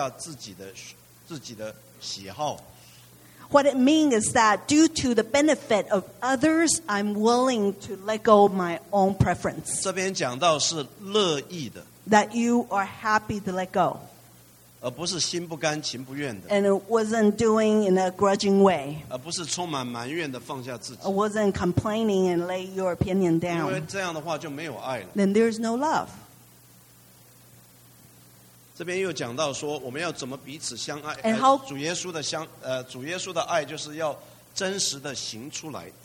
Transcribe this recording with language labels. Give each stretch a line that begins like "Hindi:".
Chinese: 就是为了别人的需要而乐意放下自己的喜好。
English: What it means is that due to the benefit of others, I'm willing to let go of my own preference.
Chinese: 这边讲到是乐意的。
English: That you are happy to let go.
Chinese: 而不是心不甘情不愿的。
English: And it wasn't doing in a grudging way.
Chinese: 而不是充满埋怨的放下自己。
English: It wasn't complaining and lay your opinion down.
Chinese: 因为这样的话就没有爱了。
English: Then there's no love.
Chinese: 这边又讲到说我们要怎么彼此相爱。
English: And how
Chinese: 主耶稣的爱就是要真实的行出来。